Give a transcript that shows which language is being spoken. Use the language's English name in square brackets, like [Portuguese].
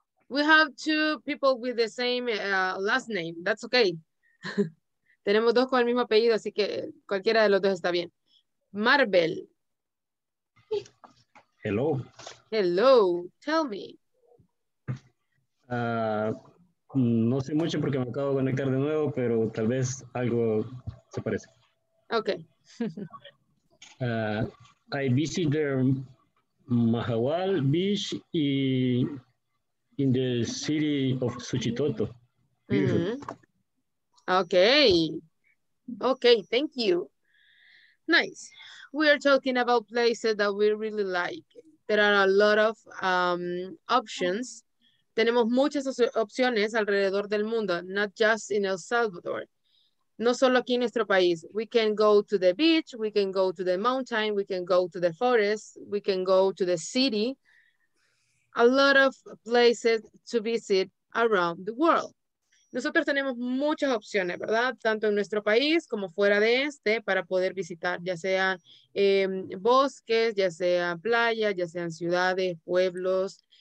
[English] We have two people with the same last name. That's okay. [Spanish] Tenemos dos con el mismo apellido, así que cualquiera de los dos está bien. [English] Marvel. Hello. Hello. Tell me. [Spanish] No sé mucho porque me acabo de conectar de nuevo, pero tal vez algo se parece. [English] Okay. I visited Mahahual Beach in the city of Suchitoto. Mm-hmm. Okay, thank you. Nice. We are talking about places that we really like. There are a lot of options. [Spanish] Tenemos muchas opciones alrededor del mundo, [English] not just in El Salvador. [Spanish] No solo aquí en nuestro país. [English] We can go to the beach, we can go to the mountain, we can go to the forest, we can go to the city. A lot of places to visit around the world. [Spanish] Nosotros tenemos muchas opciones, ¿verdad? Tanto en nuestro país como fuera de este, para poder visitar, ya sea bosques, ya sea playas, ya sean ciudades, pueblos.